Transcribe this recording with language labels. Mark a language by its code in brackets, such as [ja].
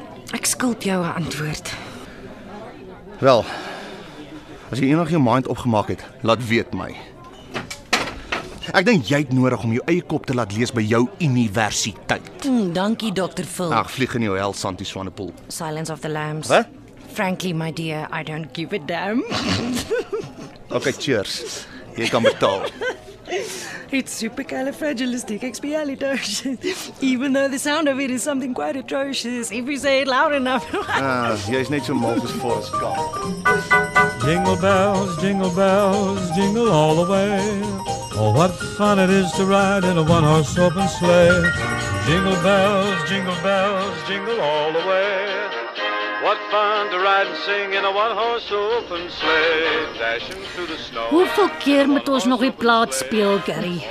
[af] Ek skuld jou 'n antwoord. Wel, as jy enig jou mind opgemaak het, laat weet my. Ek dink jy het nodig om jou eie kop te laat lees by jou universiteit. Dankie, Dr. Phil. Ag, vlieg in jou hel, Santie Swanepoel. [en] Silence of the Lambs. [af] Wat? [en] Frankly, my dear, I don't give a damn. [af] Okay, cheers. Jy kan betaal. [en] It's supercalifragilisticexpialidocious. Even though the sound of it is something quite atrocious, if you say it loud enough. [af] Jy is net so mal as Forrest Gump. [en] Jingle bells, jingle bells, jingle all the way. Oh, what fun it is to ride in a one-horse open sleigh. Jingle bells, jingle bells, jingle all the way. What fun to ride and sing in a one-horse open sleigh, dashing through the snow. [af] Hoeveel keer moet ons nog die plaat speel, Gary?